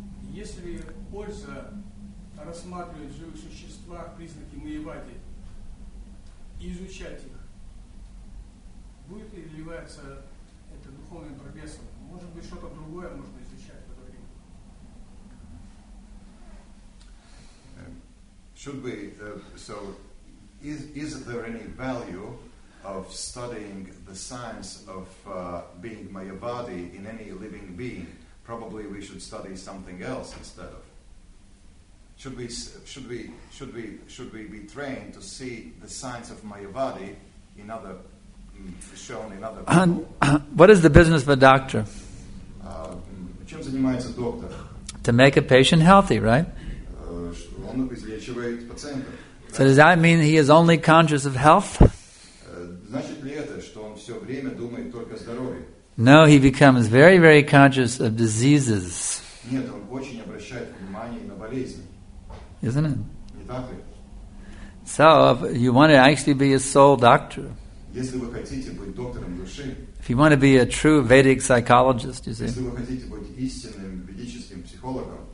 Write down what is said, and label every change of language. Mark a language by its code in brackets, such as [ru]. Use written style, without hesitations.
[ru] Если польза рассматривать живых существа, признаки Майявади, и изучать их, будет ли вливаться это духовным прогрессом? Может быть, что-то другое нужно изучать в это время? [en] Should we, so, is there any value of studying the science of being Mayavadi in any living being? Probably we should study something else instead of. Should we be trained to see the science of Mayavadi in other, shown in other people? What is the business of a doctor? [ru] Чем занимается доктор? [en] To make a patient healthy, right? [ru] Он излечивает пациента. [en] So does that mean he is only conscious of health? [ru] Значит ли это, что он все время думает только о здоровье? [en] No, he becomes very, very conscious of diseases. [ru] Нет, он очень обращает внимание на болезни. [en] Isn't it? [ru] Не так ли? [en] So, if you want to actually be a soul doctor, [ru] если вы хотите быть доктором души, [en] if you want to be a true Vedic psychologist, you see, [ru] если вы хотите быть истинным ведическим психологом,